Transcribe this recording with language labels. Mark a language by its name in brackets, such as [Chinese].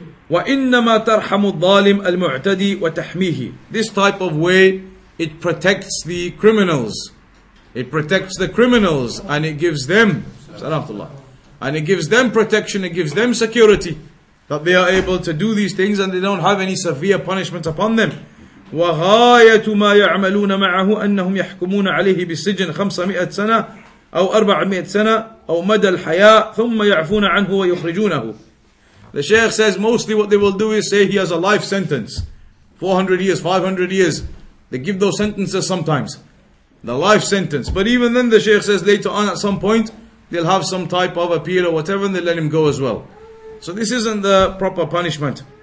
[Arabic] وَإِنَّمَا تَرْحَمُ الظَّالِمُ الْمُعْتَدِي وَتَحْمِيهِ. [English] This type of way, it protects the criminals. It protects the criminals, and it gives them, salamatullah, and it gives them protection, it gives them security, that they are able to do these things and they don't have any severe punishment upon them. [Arabic] وَغَايَةُ مَا يَعْمَلُونَ مَعَهُ أَنَّهُمْ يَحْكُمُونَ عَلَيْهِ بِالسِّجْنِ 500 سنة أو 400 سنة أو مدى الحياة ثم يَعْفُونَ عَنْهُ وَيُخْرِجُونَهُ. [English] The Shaykh says mostly what they will do is say he has a life sentence. 400 years, 500 years. They give those sentences sometimes. The life sentence. But even then the Shaykh says later on at some point they'll have some type of appeal or whatever and they'll let him go as well. So this isn't the proper punishment.